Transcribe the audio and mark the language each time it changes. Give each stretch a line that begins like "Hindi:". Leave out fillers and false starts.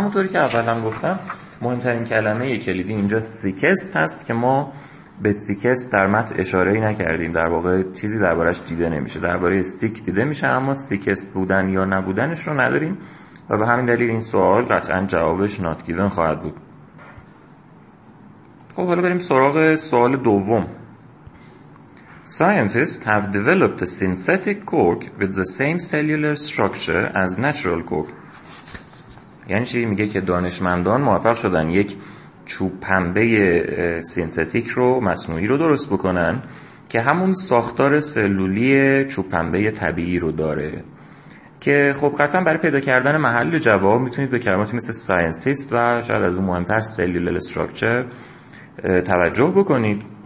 Persian: همونطوری که اول هم گفتم مهمترین کلمه کلیدی اینجا سیکست هست که ما به سیکست در متن اشاره‌ای نکردیم، در واقع چیزی دربارش دیده نمیشه، درباره سیک دیده میشه اما سیکست بودن یا نبودنش رو نداریم و به همین دلیل این سوال قطعا جوابش not given خواهد بود. خب حالا بریم سراغ سوال دوم.
English: Scientists have developed a synthetic cork with the same cellular structure as natural cork.
Persian: یعنی چی؟ میگه که دانشمندان موفق شدن یک چوب پنبه سینتتیک رو، مصنوعی رو درست بکنن که همون ساختار سلولی چوب پنبه طبیعی رو داره، که خب قطعا برای پیدا کردن محل جواب میتونید به کلماتی مثل ساینتیست و شاید از اون مهمتر سلولر استراکچر توجه بکنید،